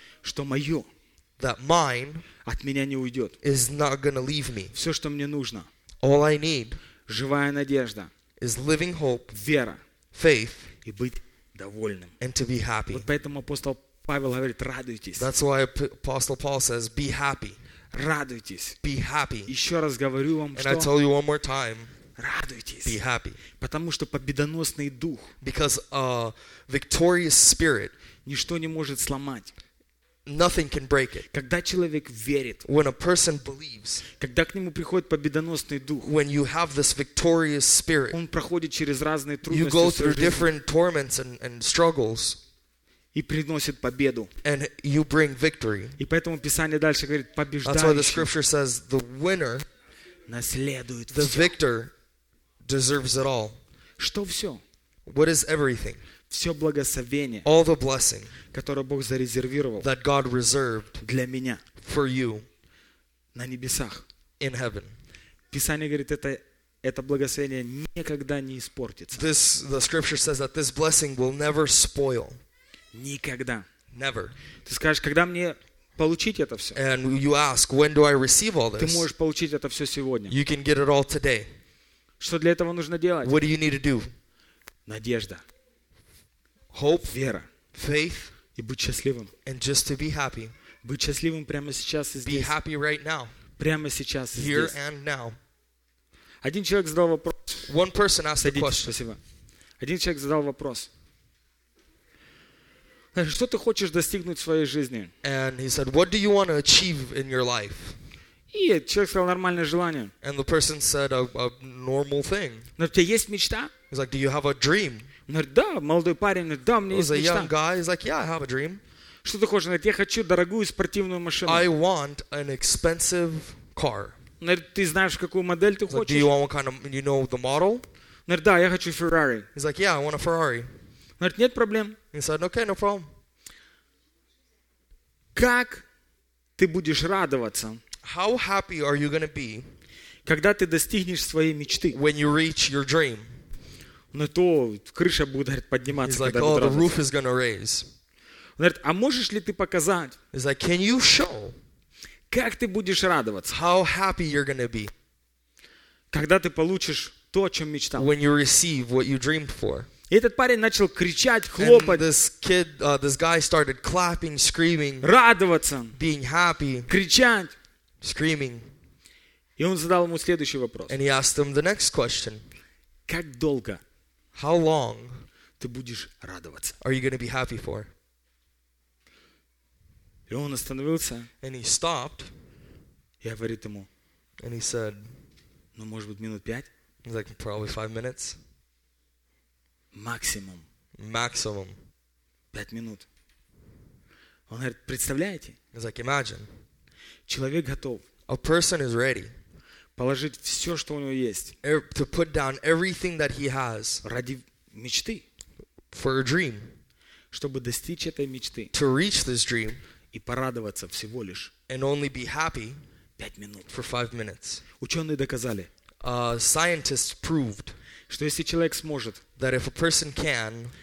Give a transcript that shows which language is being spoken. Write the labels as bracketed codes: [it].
[ru] Что мое. [en] That mine. [ru] От меня не уйдет. [en] Is not gonna leave me. [ru] Все, что мне нужно. [en] All I need. [ru] Живая надежда. [en] Is living hope. [ru] Вера. [en] Faith. [ru] И быть довольным. [en] And to be happy. [ru] Вот поэтому апостол Павел говорит: радуйтесь. [en] That's why Apostle Paul says, be happy. [ru] Радуйтесь. [en] Be happy. [ru] Еще раз говорю вам, [en] and [ru] что? [en] I tell you one more time. [ru] Радуйтесь. [en] Be happy. [ru] Потому что победоносный дух. [en] Because a victorious spirit. [ru] Ничто не может сломать. [en] Nothing can break it. [ru] Когда человек верит. [en] When a person believes. [ru] Когда к нему приходит победоносный дух. [en] When you have this victorious spirit. [ru] Он проходит через разные трудности. [en] You go through different torments and struggles. [ru] И приносит победу. [en] And you bring victory. [ru] И поэтому Писание дальше говорит, побеждающий. [en] That's why the scripture says, the winner, [ru] наследует [en] the [ru] все. [en] Victor deserves it all. [ru] Что все? [en] What is everything? [ru] Все благословение. [en] All the blessing. [ru] Которое Бог зарезервировал. [en] That God reserved. [ru] Для меня. [en] For you. [ru] На небесах. [en] In heaven. [ru] Писание говорит, это благословение никогда не испортится. [en] This, the scripture says that this blessing will never spoil. [ru] Никогда. [en] Never. [ru] Ты скажешь, когда мне получить это все? [en] And you ask, when do I receive all this? [ru] Ты можешь получить это все сегодня. [en] You can get it all today. [ru] Что для этого нужно делать? [en] What do you need to do? [ru] Надежда. [en] Hope. [ru] Вера. [en] Faith. [ru] И быть счастливым. [en] And just to be happy. [ru] Быть счастливым прямо сейчас и здесь. [en] Be happy right now. [ru] Прямо сейчас и здесь. [en] Here and now. [ru] Один человек задал вопрос. [en] One person asked a question. [ru] Спасибо. Один человек задал вопрос. Что ты хочешь достигнуть в своей жизни? [en] And he said, what do you want to achieve in your life? [ru] И человек сказал, нормальное желание. [en] And the person said, a normal thing. [ru] Но у тебя есть мечта? [en] He's like, do you have a dream? [ru] Он говорит, да, молодой парень, да, у меня есть мечта. [en] He's a young guy, he's like, yeah, I have a dream. [ru] Что ты хочешь? Он говорит, я хочу дорогую спортивную машину. [en] I want an expensive car. [ru] Он говорит, ты знаешь, какую модель ты хочешь? [en] Like, do you want what kind of, you know the model? [ru] Он говорит, да, я хочу Ferrari. [en] He's like, yeah, I want a Ferrari. [ru] Он говорит, нет проблем. [en] He said, okay, no problem. [ru] Как ты будешь радоваться? [en] How happy are you going to be? [ru] Когда ты достигнешь своей мечты? [en] When you reach your dream. [ru] Ну то крыша будет, говорит, подниматься. [en] He's like, oh, the roof is going to raise. [ru] Он говорит, а можешь ли ты показать? [en] He's like, can you show? [ru] Как ты будешь радоваться? [en] How happy you're going to be. [ru] Когда ты получишь то, о чем мечтал. [en] When you receive what you dreamed for. [ru] И этот парень начал кричать, хлопать. [en] And this kid, this guy started clapping, screaming. [ru] Радоваться. [en] Being happy. [ru] Кричать. [en] Screaming. [ru] И он задал ему следующий вопрос. [en] And he asked him the next question. [ru] Как долго? [en] How long? [ru] Ты будешь радоваться? [en] Are you going to be happy for? [ru] И он остановился. [en] And he stopped. [ru] И говорит ему. [en] And he said. [ru] Ну, может быть, минут пять? [en] He's like, probably 5 minutes. [ru] Максимум. [en] Maximum. [ru] 5 минут. Он говорит, представляете? [en] He's like, imagine. [ru] Человек готов. [en] A person is ready. [ru] Положить все, что у него есть. [en] To put down everything that he has. [ru] Ради мечты. [en] For a dream. [ru] Чтобы достичь этой мечты. [en] To reach this dream. [ru] И порадоваться всего лишь. [en] And only be happy. [ru] 5 минут. [en] For 5 minutes. [ru] Ученые доказали. [en] Scientists proved. [ru] Что если человек сможет. [en] That if a person can.